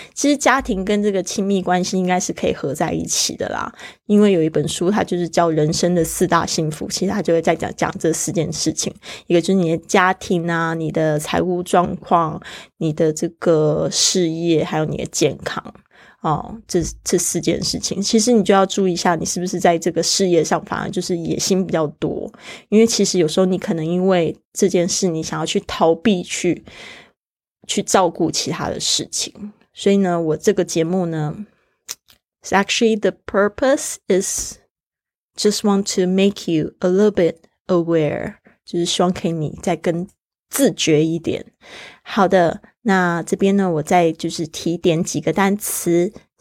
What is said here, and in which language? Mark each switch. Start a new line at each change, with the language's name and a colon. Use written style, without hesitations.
Chinese: 其实家庭跟这个亲密关系应该是可以合在一起的啦，因为有一本书它就是叫人生的四大幸福，其实它就会在讲这四件事情，一个就是你的家庭啊，你的财务状况，你的这个事业，还有你的健康哦，这四件事情。其实你就要注意一下你是不是在这个事业上反而就是野心比较多，因为其实有时候你可能因为这件事你想要去逃避去照顾其他的事情。所以呢我这个节目呢
English: actually the purpose is just want to make you a little bit aware，
Chinese: 就是希望可以你再更自觉一点。好的，那这边呢我再就是提点几个单词。